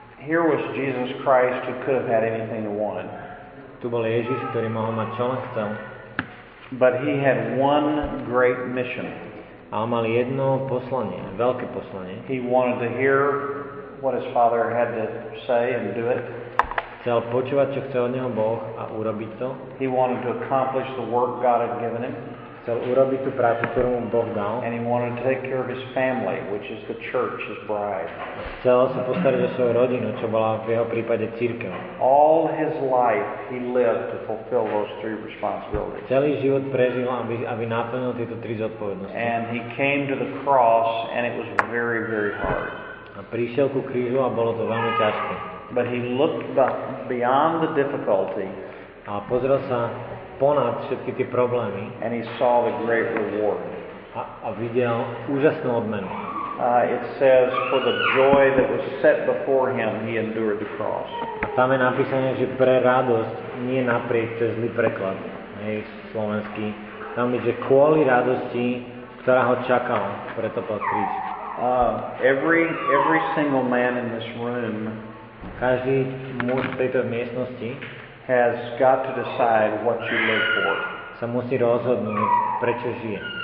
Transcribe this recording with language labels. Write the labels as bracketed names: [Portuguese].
[English] Here was Jesus Christ, who could have had anything he wanted. [Slovak] Tu bol Ježiš, ktorý mohol mať čo len chcel. [English] But he had one great mission. [Slovak] A mal jedno poslanie, veľké poslanie. [English] He wanted to hear what his father had to say and do it. [Slovak] Chcel počúvať, čo chcel od neho Boh, a urobiť to. [English] He wanted to accomplish the work God had given him. [Slovak] Chcel urobiť tú prácu, ktorú mu Boh dal. [English] And he wanted to take care of his family, which is the church, his bride. [Slovak] Chcel sa postarať o svoju rodinu, čo bola v jeho prípade cirkev. [English] All his life he lived to fulfill those three responsibilities. [Slovak] Celý život prežil, aby naplnil tieto tri zodpovednosti. [English] And he came to the cross and it was very, very hard. [Slovak] A prišiel ku krížu a bolo to veľmi ťažké. [English] But he looked beyond the difficulty. [Slovak] A pozrel sa ponad všetky tie problémy. [English] And he saw the great reward. [Slovak] A videl úžasnú odmenu. [English] It says, for the joy that was set before him, he endured the cross. [Slovak] A tam je napísané, že pre radosť, nie napriek, to je zlý preklad. Hej, slovenský. Tam je, že kvôli radosti, ktorá ho čakala, preto pod kríž. [English] Every single man in this room, [Slovak] každý muž v tejto miestnosti, [English] has got to decide what you live for. [Slovak] Sa musí rozhodnúť, prečo žije.